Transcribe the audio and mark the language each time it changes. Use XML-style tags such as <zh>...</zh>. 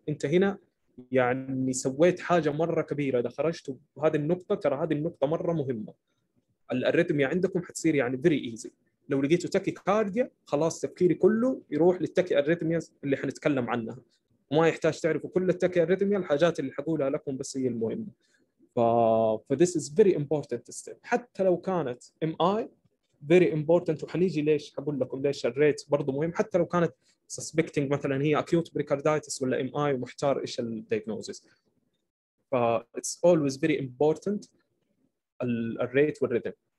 <ar>أنت هنا يعني سويت حاجة مرة كبيرة، إذا خرجت بهذه النقطة، ترى هذه النقطة مرة مهمة. الأريتميا عندكم حتصير يعني</ar> <en>very easy.</en> <ar>لو لقيتوا تاكي كارديا خلاص تفكيري كله يروح للتاكي أريتميا اللي حنتكلم عنها، وما يحتاج تعرفوا كل التاكي أريتميا، الحاجات اللي حقولها لكم بس هي المهمة.</ar> <en>فthis is very important step.</en> <ar>حتى لو كانت MI</ar> <en>very important،</en> <ar>وحنيجي ليش حقول لكم ليش الريت برضو مهم. حتى لو كانت suspecting مثلا هي acute pericarditis ولا MI ومحتار ايش ال diagnosis، ف</ar> <en>it's always very important</en> <ar>ال rate وال rhythm.</ar>